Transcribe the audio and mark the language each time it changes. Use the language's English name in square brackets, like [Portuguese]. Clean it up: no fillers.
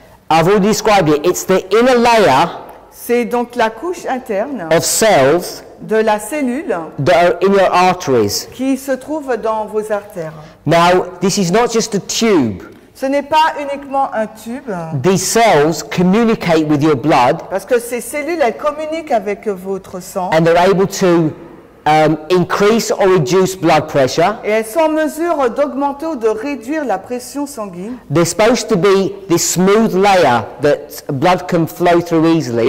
[English] I've already described it, it's the inner layer... [French] C'est donc la couche interne... [English] Of cells... [French] De la cellule... [English] That are in your arteries. [French] Qui se trouve dans vos artères. [English] Now, this is not just a tube... [French] Ce n'est pas uniquement un tube. [English] These cells communicate with your blood. [French] Parce que ces cellules, elles communiquent avec votre sang. [English] And they're able to increase or reduce blood pressure. [French] Et elles sont en mesure d'augmenter ou de réduire la pression sanguine. [English] They're supposed to be this smooth layer that blood can flow through easily.